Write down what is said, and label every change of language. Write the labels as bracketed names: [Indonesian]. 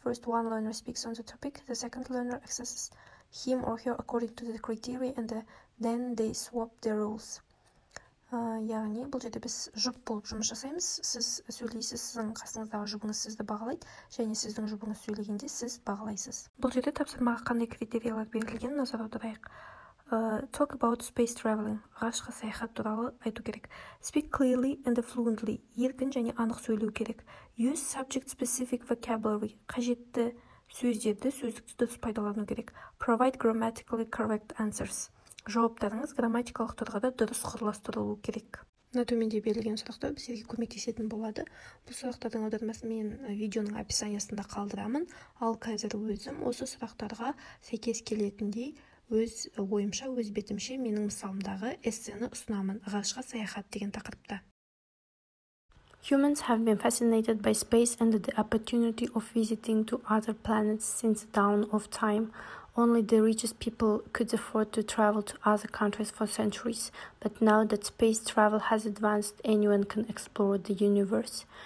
[English] First one learner speaks on the topic. The second learner accesses him or her according to the criteria and then they swap their roles. [Kazakh] Яғни бұл жерде біз жұп болып жұмыс жасаймыз. Сіз сөйлейсіз, сіздің қасыңыздағы жұбыңыз сізді бағалайды, және сіздің жұбыңыз сөйлегенде сіз бағалайсыз. Бұл жерде тапсырмаға қандай критериялар берілген, назар аударайық. [English] Talk about space traveling. [Kazakh] Ғарышқа саяхат туралы айту керек. [English] Speak clearly and fluently. [Kazakh] Еркін және анық сөйлеу керек. [English] Use subject-specific vocabulary. [Kazakh] Қажетті сөздерді сөздікті дұрыс пайдалану керек. [English] Provide grammatically correct answers. [Kazakh] Жауаптарыңыз грамматикалық тұрғыда дұрыс құрластырылу керек. Мына төменде берілген сұрақтар сізге көмектесетін болады. Бұл сұрақтардың аудармасын мен видеоның описаниясында қалдырамын. Ал қазір өзім осы сұрақтарға сәйкес келетіндей өз ойымша, өз бетімше менің мысалымдағы эссені ұсынамын. Ғарышқа саяхат деген тақырыпта. [English] Humans have been fascinated by space and the opportunity of visiting to other planets since dawn of time. Only the richest people could afford to travel to other countries for centuries, but now that space travel has advanced, anyone can explore the universe.